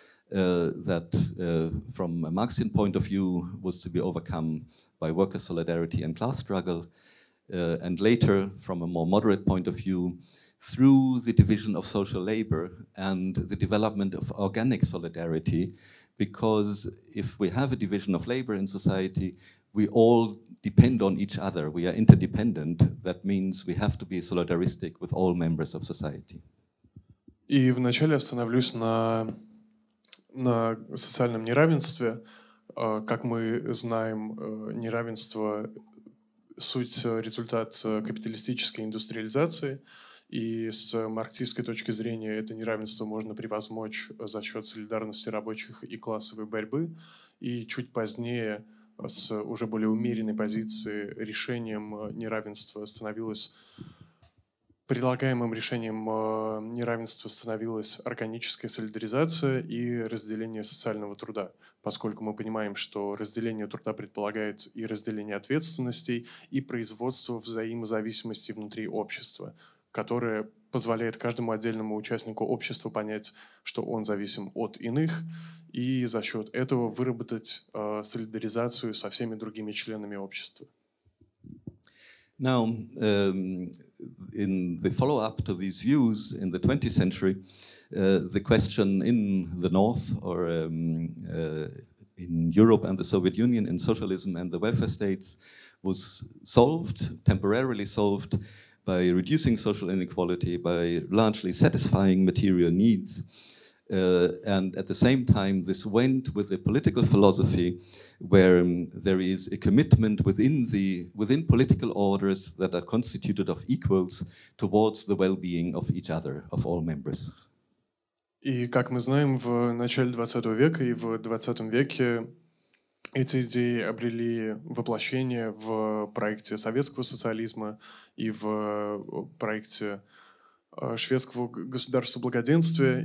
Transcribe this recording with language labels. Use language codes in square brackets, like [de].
[en] that from a Marxian point of view was to be overcome by worker solidarity and class struggle, and later from a more moderate point of view through the division of social labor and the development of organic solidarity, because if we have a division of labor in society, we all depend on each other, we are interdependent. That means we have to be solidaristic with all members of society. [ru] И вначале остановлюсь на социальном неравенстве. Как мы знаем, неравенство — суть, результат капиталистической индустриализации. И с марксистской точки зрения это неравенство можно превозмочь за счет солидарности рабочих и классовой борьбы. И чуть позднее, с уже более умеренной позиции, решением неравенства становилось, предлагаемым решением неравенства становилась органическая солидаризация и разделение социального труда, поскольку мы понимаем, что разделение труда предполагает и разделение ответственностей, и производство взаимозависимости внутри общества, которое позволяет каждому отдельному участнику общества понять, что он зависим от иных, и за счет этого выработать солидаризацию со всеми другими членами общества. [en] Now, in the follow-up to these views in the 20th century, the question in the North or in Europe and the Soviet Union in socialism and the welfare states was solved, temporarily solved, by reducing social inequality, by largely satisfying material needs. And at the same time, this went with a political philosophy where there is a commitment within political orders that are constituted of equals towards the well-being of each other, of all members. [ru] И как мы знаем, в начале 20 века и в 20 веке эти идеи обрели воплощение в проекте советского социализма и в проекте шведского государства благоденствия.